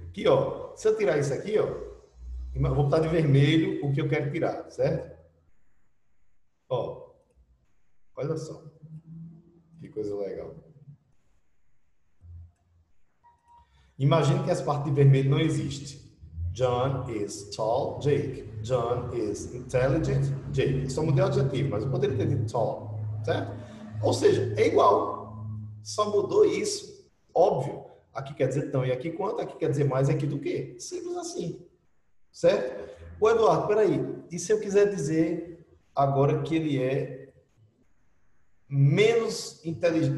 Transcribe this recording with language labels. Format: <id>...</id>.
<pt>Aqui, ó, se eu tirar isso aqui, ó, eu vou botar de vermelho o que eu quero tirar, certo? Ó, olha só, que coisa legal. Imagine que essa parte de vermelho não existe.</pt> <en>John is tall, Jake. John is intelligent, Jake.</en> <pt>Só mudei o adjetivo, mas eu poderia ter dito tall, certo? Ou seja, é igual. Só mudou isso. Óbvio. Aqui quer dizer tão e aqui quanto. Aqui quer dizer mais e aqui do quê? Simples assim. Certo? O Eduardo, peraí. E se eu quiser dizer agora que ele é menos inteligente?</pt>